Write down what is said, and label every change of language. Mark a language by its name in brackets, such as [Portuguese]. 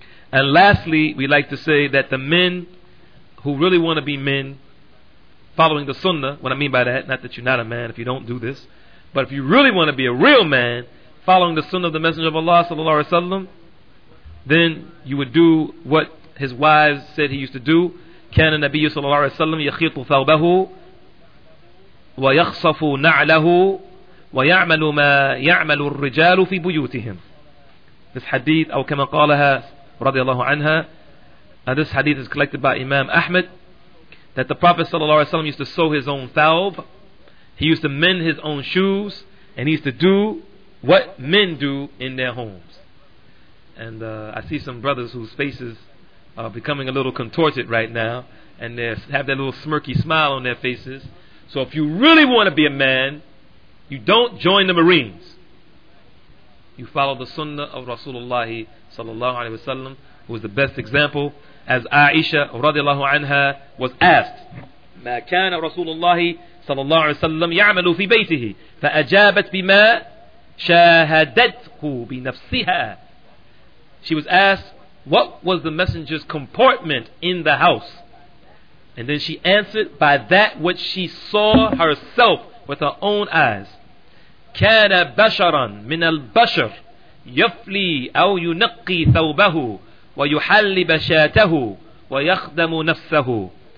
[English] And lastly, we like to say that the men who really want to be men following the sunnah, what I mean by that, not that you're not a man if you don't do this, but if you really want to be a real man following the sunnah of the Messenger of Allah sallallahu alaihi wasallam, then you would do what his wives said he used to do. [Arabic] كان النبي صلى الله عليه وسلم يخيط ثوبه ويخصف نعله ويعمل ما يعمل الرجال في بيوتهم. [English] This hadith, [Arabic] أو كما قالها رضي الله عنها, [English] this hadith is collected by Imam Ahmed, that the Prophet [Arabic] صلى الله عليه وسلم [English] used to sew his own thawb, he used to mend his own shoes, and he used to do what men do in their homes. And I see some brothers whose faces are becoming a little contorted right now, and they have that little smirky smile on their faces. So if you really want to be a man, you don't join the Marines. You follow the sunnah of Rasulullah sallallahu alaihi wasallam, who is the best example. As Aisha radiallahu anha was asked, [Arabic] ما كان رسول الله صلى الله عليه وسلم يعمل في بيته فأجابت بما شاهدته بنفسها. [English] She was asked, what was the messenger's comportment in the house? And then she answered, by that which she saw herself with her own eyes. [Arabic] كَانَ بَشَرًا مِنَ الْبَشَرِ يَفْلِي أَوْ يُنَقِّي ثَوْبَهُ وَيُحَلِّ بَشَاتَهُ وَيَخْدَمُ نَفْسَهُ.